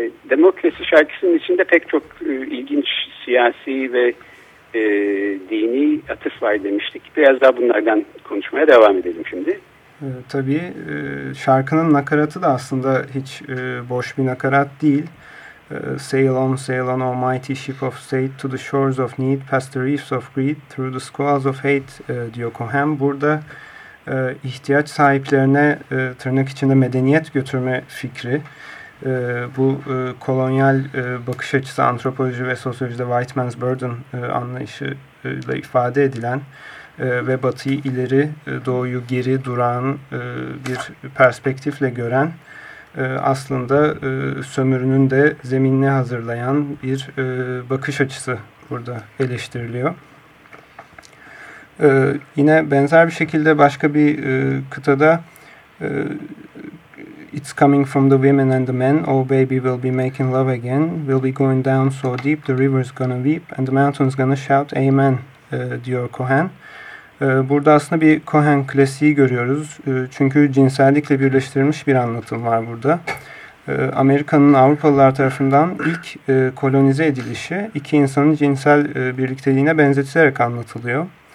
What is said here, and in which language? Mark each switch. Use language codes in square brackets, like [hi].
[tr] Demokrasi şarkısının içinde pek çok ilginç siyasi ve dini atıf var demiştik. Biraz daha bunlardan konuşmaya devam edelim şimdi. Tabii şarkının nakaratı da aslında hiç boş bir nakarat değil. [en] Sail on, sail on, O mighty ship of state, to the shores of need, past the reefs of greed, through the squalls of hate [tr] diyor Cohen. Burada ihtiyaç sahiplerine tırnak içinde medeniyet götürme fikri. Bu kolonyal bakış açısı antropoloji ve sosyolojide [en] white man's burden [tr] anlayışıyla ifade edilen ve batıyı ileri doğuyu geri duran bir perspektifle gören aslında sömürünün de zeminini hazırlayan bir bakış açısı burada eleştiriliyor. Yine benzer bir şekilde başka bir kıtada [en] "It's coming from the women and the men. Oh baby, we'll be making love again. We'll be going down so deep, the river's gonna weep and the mountain's gonna shout amen," [tr] diyor Cohen. Burada aslında bir Cohen klasiği görüyoruz. Çünkü cinsellikle birleştirilmiş bir anlatım var burada. Amerika'nın Avrupalılar tarafından ilk kolonize edilişi iki insanın cinsel birlikteliğine benzetilerek anlatılıyor.